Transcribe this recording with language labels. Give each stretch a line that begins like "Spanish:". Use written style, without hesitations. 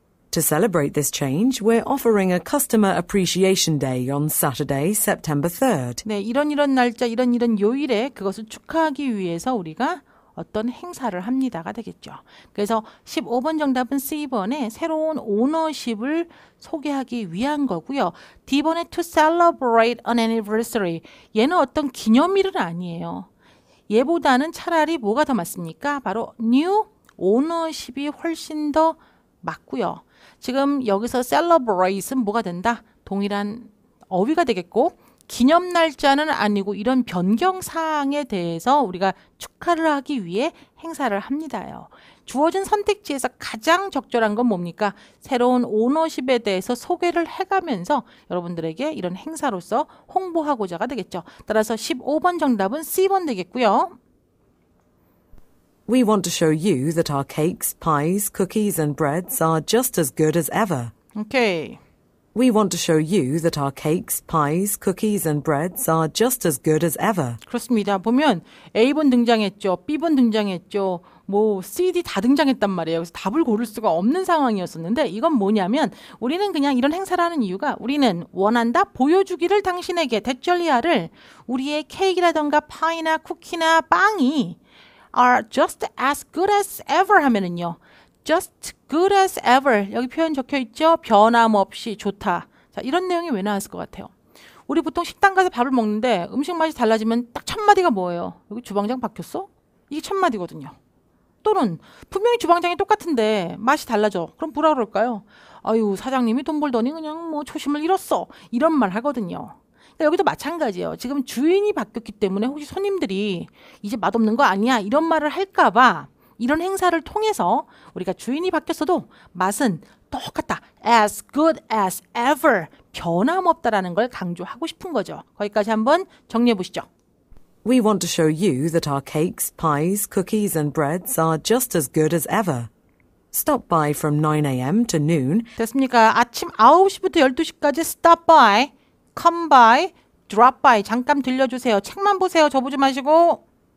English: To celebrate this change, we're offering a customer appreciation day on Saturday, September 3rd.
Korean: 네, 이런 날짜 이런 요일에 그것을 축하하기 위해서 우리가 어떤 행사를 합니다가 되겠죠. 그래서 15번 정답은 C번에 새로운 ownership을 소개하기 위한 거고요. D번에
English: to celebrate an anniversary.
Korean: 얘는 어떤 기념일은 아니에요. 얘보다는 차라리 뭐가 더 맞습니까? 바로
English: new ownership
Korean: 이 훨씬 더 맞고요. 지금 여기서 celebrate은 뭐가 된다? 동일한 어휘가 되겠고 기념 날짜는 아니고 이런 변경 사항에 대해서 우리가 축하를 하기 위해 행사를 합니다요. 주어진 선택지에서 가장 적절한 건 뭡니까? 새로운 오너십에 대해서 소개를 해가면서 여러분들에게 이런 행사로서 홍보하고자가 되겠죠. 따라서 15번 정답은 C번 되겠고요.
English: We want to show you that our cakes, pies, cookies and breads are just as good as ever. Okay. We want to show you that our cakes, pies, cookies and breads are just as good as ever.
Korean: 그렇습니다. 보면 A번 등장했죠. B번 등장했죠. 뭐 CD 다 등장했단 말이에요. 그래서 답을 고를 수가 없는 상황이었었는데 이건 뭐냐면 우리는 그냥 이런 행사라는 이유가 우리는 원한다 보여주기를 당신에게 대절리아를 우리의 케이크라던가 파이나 쿠키나 빵이
English: are just as good as ever
Korean: 하면은요.
English: Just good as ever.
Korean: 여기 표현 적혀있죠? 변함없이 좋다. 자, 이런 내용이 왜 나왔을 것 같아요? 우리 보통 식당 가서 밥을 먹는데 음식 맛이 달라지면 딱 첫마디가 뭐예요? 여기 주방장 바뀌었어? 이게 첫마디거든요. 또는 분명히 주방장이 똑같은데 맛이 달라져. 그럼 뭐라 그럴까요? 아유, 사장님이 돈 벌더니 그냥 뭐 초심을 잃었어. 이런 말 하거든요. 그러니까 여기도 마찬가지예요. 지금 주인이 바뀌었기 때문에 혹시 손님들이 이제 맛없는 거 아니야? 이런 말을 할까 봐 이런 행사를 통해서 우리가 주인이 바뀌었어도 맛은 똑같다.
English: As good as ever.
Korean: 변함없다라는 걸 강조하고 싶은 거죠. 거기까지 한번 정리해 보시죠.
English: We want to show you that our cakes, pies, cookies and breads are just as good as ever. Stop by from 9 a.m. to noon.
Korean: 됐습니까? 아침 9시부터 12시까지
English: stop by, come by, drop by.
Korean: 잠깐 들려주세요. 책만 보세요. 저 보지 마시고.